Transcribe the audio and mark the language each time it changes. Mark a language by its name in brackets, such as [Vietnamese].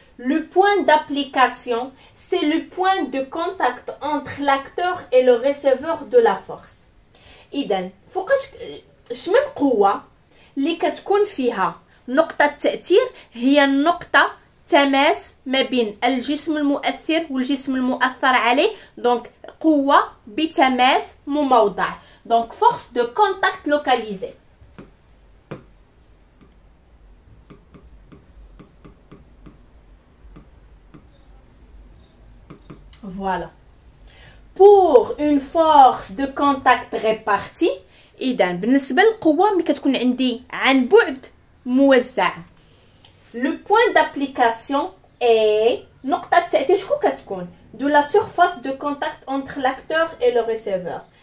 [French] Le point d'application, c'est le point de contact entre l'acteur et le receveur de la force. [Arabic] Idem, فوقاش شمن قوة اللي كتكون فيها نقطة تأثير هي النقطة تماس ما بين الجسم المؤثر والجسم المؤثر عليه. دونك قوة بتماس مموضع. [French] دونك force de contact localisée. Voilà. Pour une force de contact répartie, idem. [Arabic] بالنسبة للقوة مي كتكون عندي عن بعد موزع. [French] Le point d'application est [Arabic] نقطة التأثير شكون كتكون؟ [French] De la surface de contact entre l'acteur et le receveur.